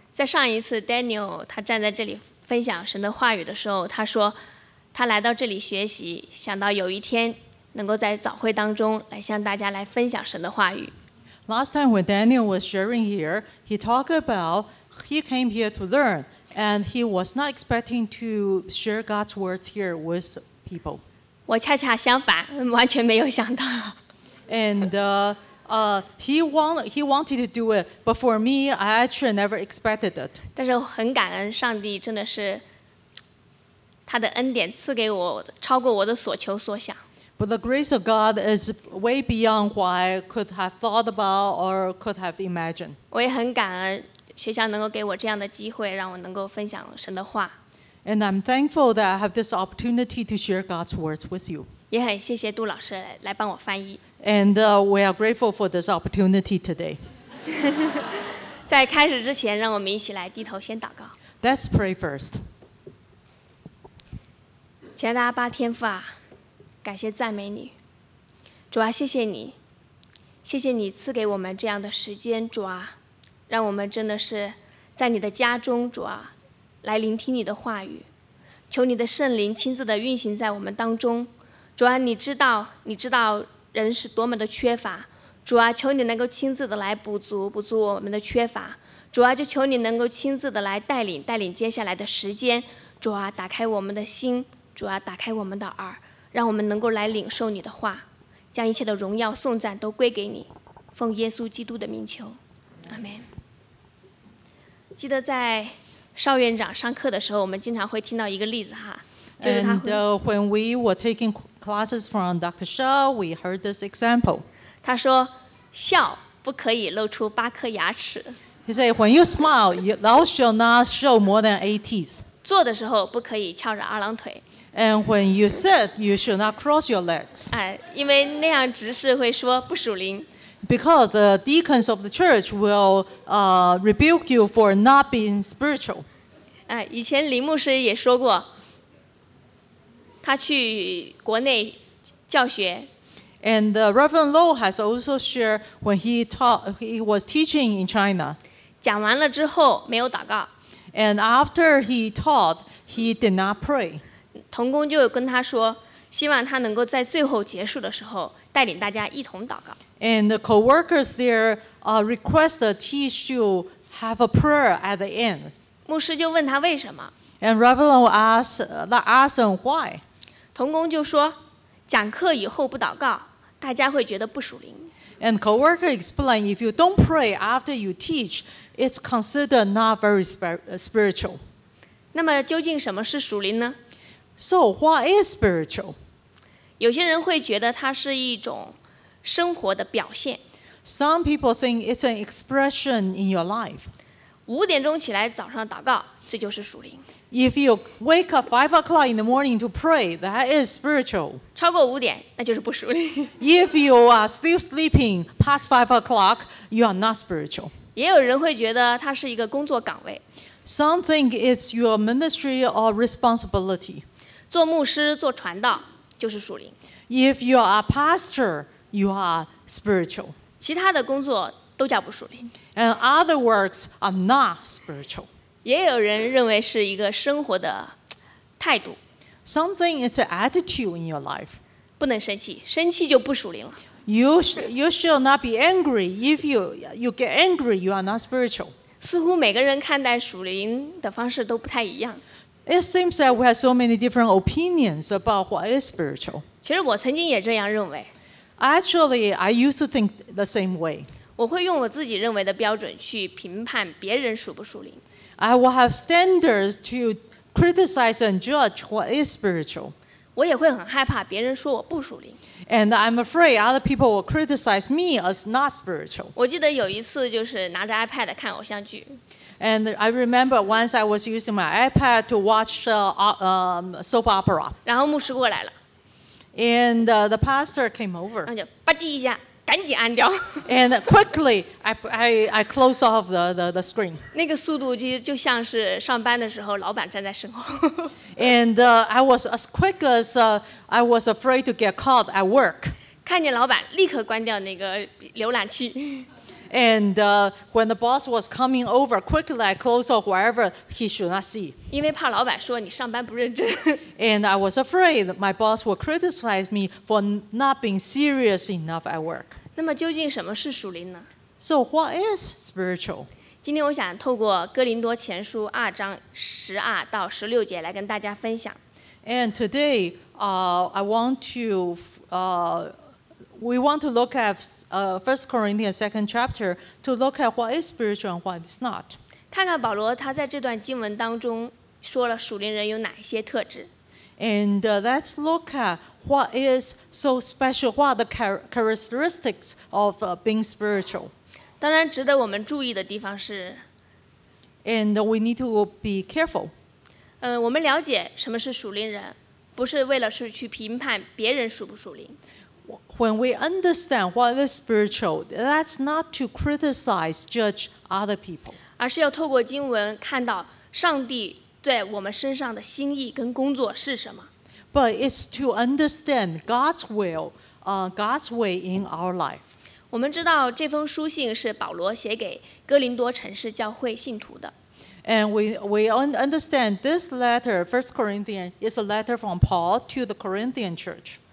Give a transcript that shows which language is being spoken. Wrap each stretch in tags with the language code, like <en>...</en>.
<zh>在上一次 Daniel 他站在这里分享神的话语的时候，他说他来到这里学习，想到有一天能够在早会当中来向大家来分享神的话语。</zh> <en>Last time when Daniel was sharing here, he talked about he came here to learn, and he was not expecting to share God's words here with people.</en> <zh>我恰恰相反，完全没有想到。</zh> <en>And he wanted to do it, but for me, I actually never expected it.</en> <zh>但是我很感恩上帝，真的是他的恩典赐给我，超过我的所求所想。</zh> <en>But the grace of God is way beyond what I could have thought about or could have imagined.</en> <zh>我也很感恩学校能够给我这样的机会，让我能够分享神的话。</zh> <en>And I'm thankful that I have this opportunity to share God's words with you.</en> <zh>也很谢谢杜老师来帮我翻译。</zh> <en>And we are grateful for this opportunity today.</en> <zh>在开始之前，让我们一起来低头先祷告。</zh> <en>Let's pray first.</en> <zh>亲爱的阿爸天父啊，感谢赞美你，主啊，谢谢你，谢谢你赐给我们这样的时间，主啊，让我们真的是在你的家中，主啊，来聆听你的话语，求你的圣灵亲自的运行在我们当中，主啊，你知道，你知道人是多么的缺乏，主啊，求你能够亲自的来补足，补足我们的缺乏，主啊，就求你能够亲自的来带领，带领接下来的时间，主啊，打开我们的心，主啊，打开我们的耳，让我们能够来领受你的话，将一切的荣耀颂赞都归给你，奉耶稣基督的名求，阿门。记得在邵院长上课的时候，我们经常会听到一个例子哈，就是他。</zh> <en>And when we were taking classes from Dr. Shaw, we heard this example.</en> <zh>他说，笑不可以露出八颗牙齿。</zh> <en>He said, when you smile, you thou shall not show more than eight teeth.</en> <zh>坐的时候不可以翘着二郎腿。</zh> <en>And when you sit, you should not cross your legs.</en> <zh>因为那样执事会说不属灵。</zh> <en>Because the deacons of the church will rebuke you for not being spiritual.</en> <zh>以前林牧师也说过，他去国内教学。</zh> <en>And Reverend Low has also shared when he was teaching in China.</en> <zh>讲完了之后没有祷告。</zh> <en>And after he taught, he did not pray.</en> <zh>同工就跟他说，希望他能够在最后结束的时候带领大家一同祷告。</zh> <en>And the co-workers there requested he should have a prayer at the end.</en> <zh>牧师就问他为什么。</zh> <en>And Reverend asked him why.</en> <zh>同工就说，讲课以后不祷告，大家会觉得不属灵。</zh> <en>And co-worker explained if you don't pray after you teach, it's considered not very spiritual.</en> <zh>那么究竟什么是属灵呢？</zh> <en>So what is spiritual?</en> <zh>有些人会觉得它是一种生活的表现。</zh> <en>Some people think it's an expression in your life.</en> <zh>五点钟起来早上祷告，这就是属灵。</zh> <en>If you wake up 5 o'clock in the morning to pray, that is spiritual.</en> <zh>超过五点，那就是不属灵。</zh> <en>If you are still sleeping past 5 o'clock, you are not spiritual.</en> <zh>也有人会觉得它是一个工作岗位。</zh> <en>Some think it's your ministry or responsibility.</en> <zh>做牧师、做传道就是属灵。</zh> <en>If you are a pastor, you are spiritual.</en> <zh>其他的工作都叫不属灵。</zh> <en>And other works are not spiritual.</en> <zh>也有人认为是一个生活的态度。</zh> <en>Something is an attitude in your life.</en> <zh>不能生气，生气就不属灵了。</zh> <en>You should not be angry. If you get angry, you are not spiritual.</en> <zh>似乎每个人看待属灵的方式都不太一样。</zh> <en>It seems that we have so many different opinions about what is spiritual.</en> <zh>其实我曾经也这样认为。</zh> <en>Actually, I used to think the same way.</en> <zh>我会用我自己认为的标准去评判别人属不属灵。</zh> <en>I will have standards to criticize and judge what is spiritual.</en> <zh>我也会很害怕别人说我不属灵。</zh> <en>And I'm afraid other people will criticize me as not spiritual.</en> <zh>我记得有一次就是拿着 iPad 看偶像剧。</zh> <en>And I remember once I was using my iPad to watch soap opera.</en> <zh>然后牧师过来了。</zh> <en>And the pastor came over.</en> <zh>然后就吧唧一下，赶紧按掉。</zh> <en>And quickly, I close off the screen.</en> <zh>那个速度就像是上班的时候，老板站在身后。</zh> <en>And I was as quick as I was afraid to get caught at work.</en> <zh>看见老板立刻关掉那个浏览器。</zh> <en>And when the boss was coming over, quickly I closed off whatever he should not see.</en> <zh>因为怕老板说你上班不认真。</zh> <en>And I was afraid my boss would criticize me for not being serious enough at work.</en> <zh>那么究竟什么是属灵呢？</zh> <en>So what is spiritual?</en> <zh>今天我想透过哥林多前书二章十二到十六节来跟大家分享。</zh> <en>And today, I want to, we want to look at First Corinthians second chapter to look at what is spiritual and what is not.</en> <zh>看看保罗他在这段经文当中说了属灵人有哪一些特质。</zh> <en>And let's look at what is so special, what are the characteristics of being spiritual.</en> <zh>当然值得我们注意的地方是。</zh> <en>And we need to be careful.</en> <zh>我们了解什么是属灵人，不是为了是去评判别人属不属灵。</zh> <en>When we understand what is spiritual, that's not to criticize, judge other people.</en> <zh>而是要透过经文看到上帝在我们身上的心意跟工作是什么。</zh> <en>But it's to understand God's will, God's way in our life.</en> <zh>我们知道这封书信是保罗写给哥林多城市教会信徒的。</zh> <en>And we understand this letter, 1 Corinthians, is a letter from Paul to the Corinthian church.</en>